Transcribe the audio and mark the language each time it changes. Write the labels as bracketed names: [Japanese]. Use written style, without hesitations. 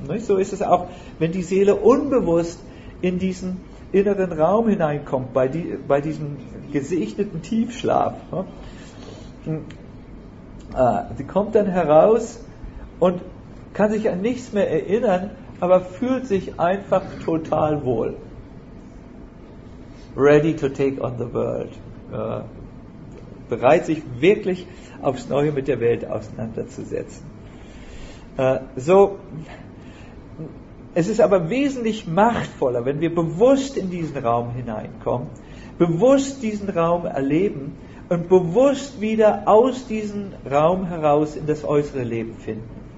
[German] Nicht? So ist es auch, wenn die Seele unbewusst in diesen inneren Raum hineinkommt, bei diesem gesichteten Tiefschlaf. Sie kommt dann heraus und kann sich an nichts mehr erinnern, aber fühlt sich einfach total wohl. [English] Ready to take on the world. [German] Bereit, sich wirklich aufs Neue mit der Welt auseinanderzusetzen. Es ist aber wesentlich machtvoller, wenn wir bewusst in diesen Raum hineinkommen, bewusst diesen Raum erleben und bewusst wieder aus diesem Raum heraus in das äußere Leben finden.